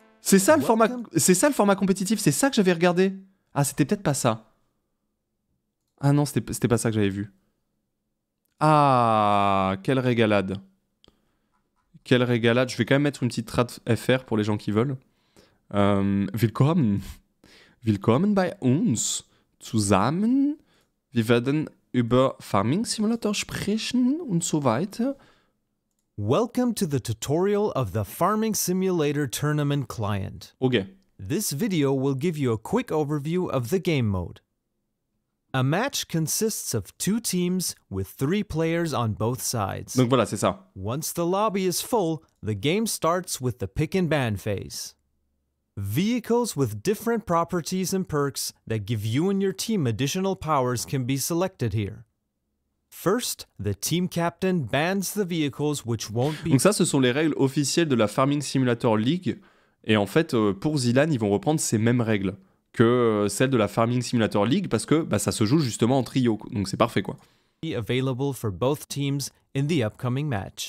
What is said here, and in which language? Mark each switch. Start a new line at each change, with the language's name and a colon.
French: C'est ça le format compétitif, c'est ça que j'avais regardé. Ah, c'était peut-être pas ça. Ah non, c'était pas ça que j'avais vu. Ah, quelle régalade, je vais quand même mettre une petite trad FR pour les gens qui veulent.
German: Willkommen, Willkommen bei uns. Zusammen, wir werden über Farming Simulator sprechen und so weiter.
English: Welcome to the tutorial of the Farming Simulator Tournament Client. Okay. This video will give you a quick overview of the game mode. A match consists of two teams with three players on both sides.
French: Donc voilà, c'est ça.
English: Once the lobby is full, the game starts with the pick and ban phase. Vehicles with different properties and perks that give you and your team additional powers can be selected here. First, the team captain bans the vehicles which won't be...
French: Donc ça, ce sont les règles officielles de la Farming Simulator League. Et en fait, pour Zilan, ils vont reprendre ces mêmes règles que celles de la Farming Simulator League parce que bah, ça se joue justement en trio. Donc c'est parfait, quoi.
English: Available for both teams in the upcoming match.